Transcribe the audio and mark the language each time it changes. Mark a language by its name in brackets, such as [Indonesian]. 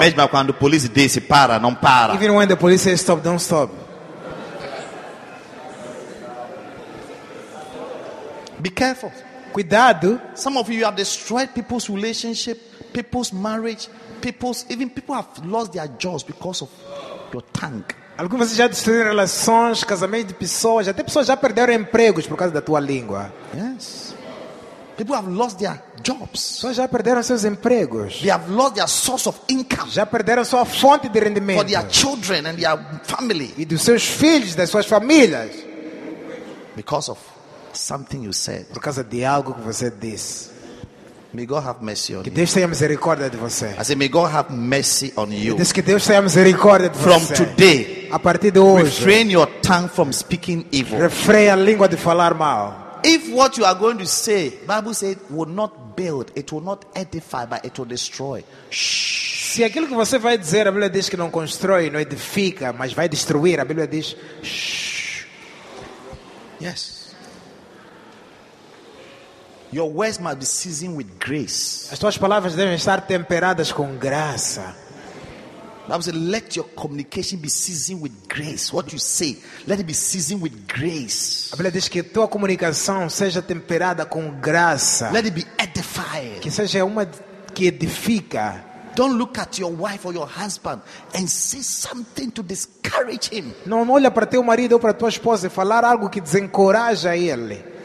[Portuguese] Mesmo quando a polícia diz para, não para. [English] Even when the police says stop, don't stop. Be careful. [Portuguese] Cuidado. [English] Some of you have destroyed people's relationship, people's marriage, people's, even people have lost their jobs because of your tank. [Portuguese] Alguns de vocês já destruíram relações, casamentos de pessoas, até pessoas já perderam empregos por causa da tua língua. [English] Yes. People have lost their jobs. [Portuguese] Pessoas já perderam seus empregos. [English] They have lost their source of income. [Portuguese] Já perderam sua fonte de rendimento. [English] For their children and their family. [Portuguese] E dos seus filhos, das suas famílias. [English] Because of something you said. [Portuguese] Por causa de algo que você disse. [English] May God have mercy on [Portuguese] que Deus [English] you. [Portuguese] Tenha misericórdia de você. [English] I say, may God have mercy on you. [Portuguese] Diz que Deus tenha misericórdia de [English] from [Portuguese] você. [English] From today, [Portuguese] a partir de hoje, [English] refrain your tongue from speaking evil. [Portuguese] Refreia a língua de falar mal. [English] If what you are going to say, Bible says, will not build, it will not edify, but it will destroy. [Portuguese] Se aquilo que você vai dizer, a Bíblia diz que não constrói, não edifica, mas vai destruir, a Bíblia diz. [English] Yes. Your words must be seasoned with grace. [Portuguese] As tuas palavras devem estar temperadas com graça. [English] I would say, let your communication be seasoned with grace. What you say, let it be seasoned with grace. [Portuguese] A Bíblia diz que tua comunicação seja temperada com graça. [English] Let it be edified. [Portuguese] Que seja uma que edifica. [English] Don't look at your wife or your husband and say something to discourage him. [Portuguese] Não olha para teu marido ou para tua esposa e falar algo que desencoraja ele.